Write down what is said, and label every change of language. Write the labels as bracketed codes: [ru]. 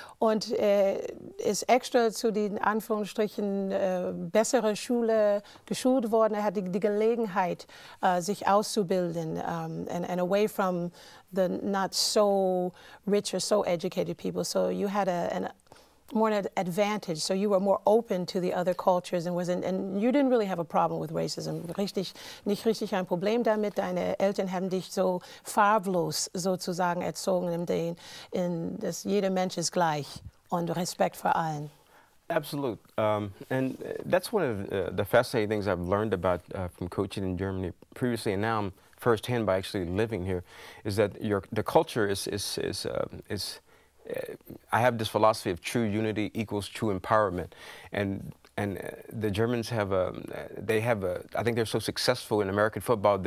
[de] Und ist extra zu den Anführungsstrichen bessere Schule geschult worden. Er hat die Gelegenheit, sich auszubilden. [en] And away from the not so rich or so educated people. So you had more an advantage, so you were more open to the other cultures and you didn't really have a problem with racism. [de] Richtig, nicht richtig ein Problem damit. Deine Eltern haben dich so farblos sozusagen erzogen, in dass jeder Mensch ist gleich und Respekt vor allen. [en] Absolute. And that's one of the fascinating things I've learned about from coaching in Germany previously, and now I'm firsthand by actually living here, is that the culture is I have this philosophy of true unity equals true empowerment, and the Germans I think they're so successful in American football.